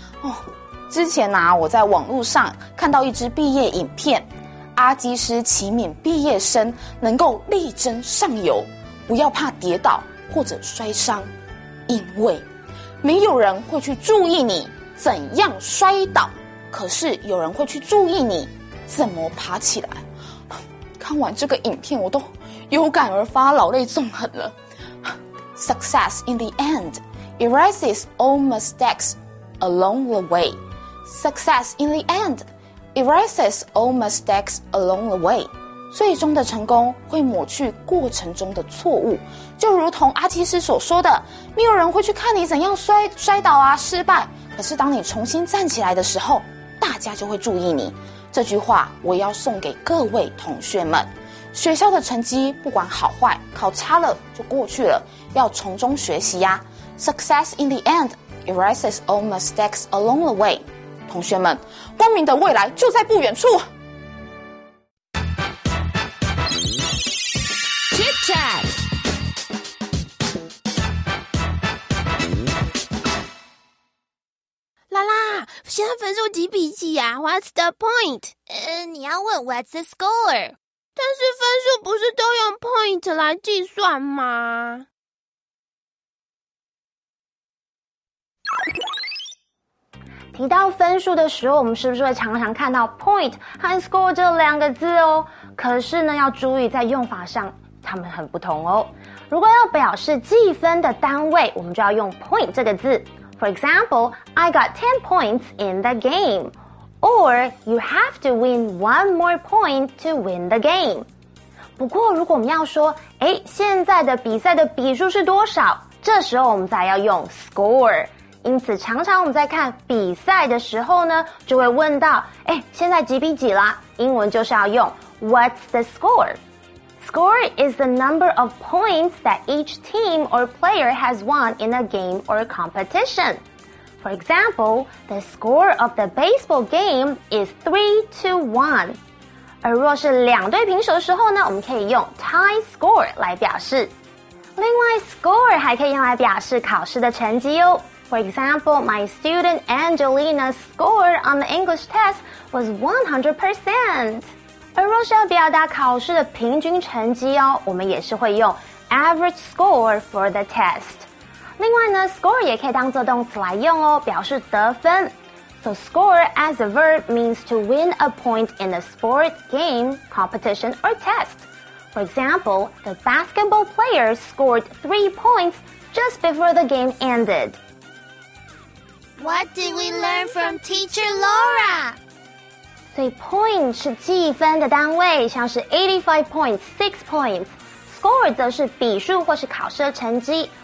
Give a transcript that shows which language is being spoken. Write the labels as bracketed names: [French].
[Chinese] 哦，之前啊，我在网络上看到一支毕业影片，阿基师祈勉毕业生能够力争上游，不要怕跌倒或者摔伤，因为没有人会去注意你怎样摔倒，可是有人会去注意你怎么爬起来。看完这个影片我都有感而发，老泪纵横了。 [English] Success in the end erases all mistakes along the way. Success in the endErases all mistakes along the way. [Chinese] 最终的成功会抹去过程中的错误，就如同阿基师所说的，没有人会去看你怎样摔倒啊，失败。可是当你重新站起来的时候，大家就会注意你。这句话我要送给各位同学们。学校的成绩不管好坏，考差了就过去了，要从中学习呀。 [English] Success in the end erases all mistakes along the way. [Chinese] 同学们，光明的未来就在不远处。 [English] Chit chat. [Chinese] Lala, 现在分数几比几啊？ [English] What's the point? [Chinese] 你要问 [English] What's the score? [Chinese] 但是分数不是都用 point 来计算吗？提到分数的时候，我们是不是会常常看到 point 和 score 这两个字哦？可是呢，要注意在用法上，它们很不同哦。如果要表示计分的单位，我们就要用 point 这个字。 [English] For example, I got 10 points in the game. Or, you have to win one more point to win the game. [Chinese] 不过如果我们要说，诶，现在的比赛的比数是多少？这时候我们才要用 score。因此常常我们在看比赛的时候呢，就会问到，诶，现在几比几啦？英文就是要用 [English] What's the score? Score is the number of points that each team or player has won in a game or a competition. For example, the score of the baseball game is 3-1. [Chinese] 而若是两队平手的时候呢，我们可以用 tie score 来表示。另外 score 还可以用来表示考试的成绩哦。 [English] For example, my student Angelina's score on the English test was 100%. [Chinese] 而若是要表达考试的平均成绩哦，我们也是会用 [English] average score for the test. [Chinese] 另外呢， score 也可以当作动词来用哦，表示得分。 [English] So score as a verb means to win a point in a sport, game, competition, or test. For example, the basketball player scored 3 points just before the game ended. What did we learn from Teacher Laura? [Chinese] 所以 point 是计分的单位，像是 85 points, 6 points. Score 则是比数或是考试的成绩。